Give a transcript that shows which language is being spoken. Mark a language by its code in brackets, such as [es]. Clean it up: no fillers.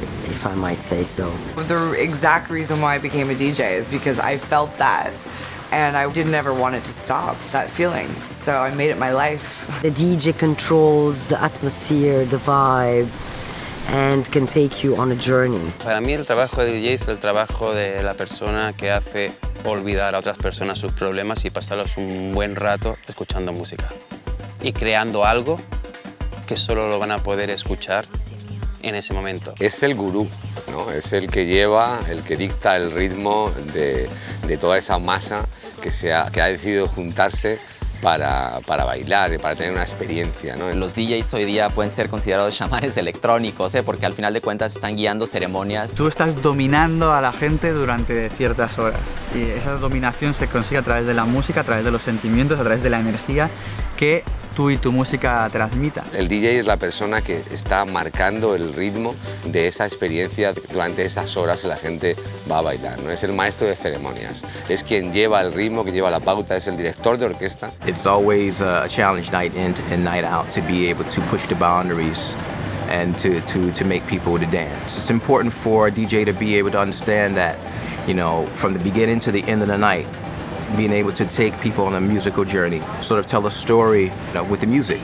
[en] if I might say so. The exact reason why I became a DJ is because I felt that, and I didn't ever want it to stop, that feeling. So I made it my life. The DJ controls the atmosphere, the vibe, and can take you on a journey. [es] Para mí el trabajo de DJ es el trabajo de la persona que hace olvidar a otras personas sus problemas y pasarlos un buen rato escuchando música y creando algo que solo lo van a poder escuchar en ese momento. Es el gurú, ¿no? Es el que lleva, el que dicta el ritmo de toda esa masa que ha decidido juntarse para bailar y para tener una experiencia, ¿no? Los DJs hoy día pueden ser considerados chamanes electrónicos, ¿eh? Porque al final de cuentas están guiando ceremonias. Tú estás dominando a la gente durante ciertas horas y esa dominación se consigue a través de la música, a través de los sentimientos, a través de la energía que tú y tu música transmita. El DJ es la persona que está marcando el ritmo de esa experiencia durante esas horas que la gente va a bailar, ¿no? Es el maestro de ceremonias. Es quien lleva el ritmo, quien lleva la pauta, es el director de orquesta. [en] It's always a challenge night in and night out to be able to push the boundaries and to make people to dance. It's important for a DJ to be able to understand that, you know, from the beginning to the end of the night, being able to take people on a musical journey, sort of tell a story, you know, with the music.